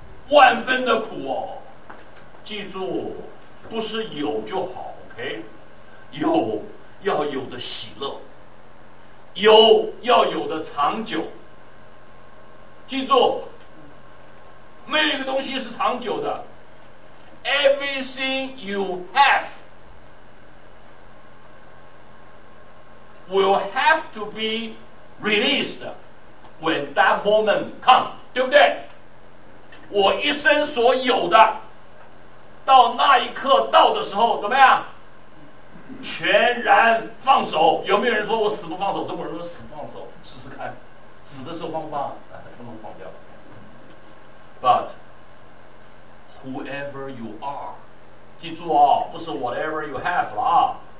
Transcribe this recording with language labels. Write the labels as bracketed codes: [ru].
[zh] 万分的苦哦。记住，不是有就好 ，OK？有要有的喜乐。有要有的长久，记住，没有一个东西是长久的。 [en] Everything you have will have to be released when that moment comes， [zh] 对不对？我一生所有的，到那一刻到的时候，怎么样？全然放手。有没有人说我死不放手？中国人说死不放手，试试看，死的时候放不放？哎，通通放掉了。 [en] But whoever you are， [zh] 记住哦，不是 [en] whatever you have 了啊。